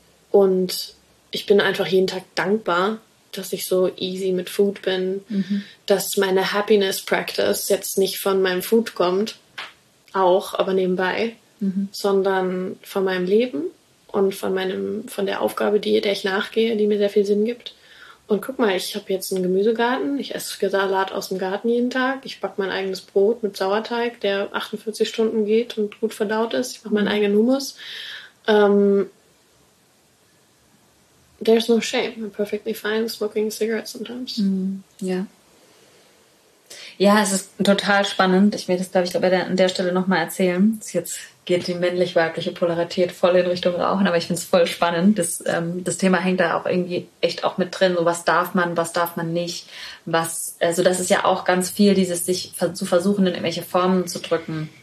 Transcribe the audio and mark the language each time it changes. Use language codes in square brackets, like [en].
[de] Und ich bin einfach jeden Tag dankbar, dass ich so easy mit Food bin, dass meine Happiness Practice jetzt nicht von meinem Food kommt, auch, aber nebenbei, sondern von meinem Leben und von der Aufgabe, der ich nachgehe, die mir sehr viel Sinn gibt. Und guck mal, ich habe jetzt einen Gemüsegarten, ich esse Salat aus dem Garten jeden Tag, ich backe mein eigenes Brot mit Sauerteig, der 48 Stunden geht und gut verdaut ist, ich mache meinen eigenen Hummus. [en] There's no shame, I'm perfectly fine smoking a cigarette sometimes. Mm, yeah. [de] Ja, es ist total spannend, ich werde das glaube ich an der Stelle nochmal erzählen, jetzt geht die männlich-weibliche Polarität voll in Richtung Rauchen, aber ich finde es voll spannend, das Thema hängt da auch irgendwie echt auch mit drin, so was darf man nicht, was, also das ist ja auch ganz viel, dieses sich zu versuchen in irgendwelche Formen zu drücken.